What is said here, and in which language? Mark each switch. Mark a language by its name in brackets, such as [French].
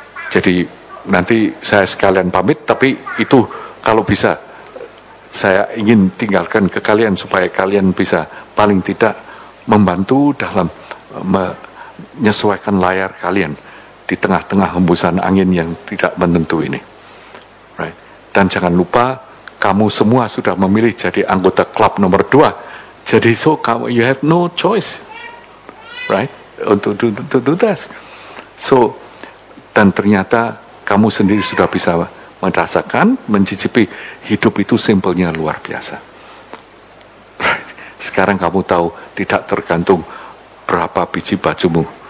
[Indonesian] Jadi nanti saya sekalian pamit, tapi itu kalau bisa saya ingin tinggalkan ke kalian supaya kalian bisa paling tidak membantu dalam menyesuaikan layar kalian di tengah-tengah hembusan angin yang tidak menentu ini. [English] Right. [Indonesian] Dan jangan lupa, kamu semua sudah memilih jadi anggota klub nomor 2. Jadi [English] so [Indonesian] kamu, [English] you have no choice. Right? [Indonesian] Untuk [English] do this. So, [Indonesian] dan ternyata kamu sendiri sudah bisa merasakan, mencicipi hidup itu simpelnya luar biasa. [English] Right. [Indonesian] Sekarang kamu tahu tidak tergantung berapa biji bajumu.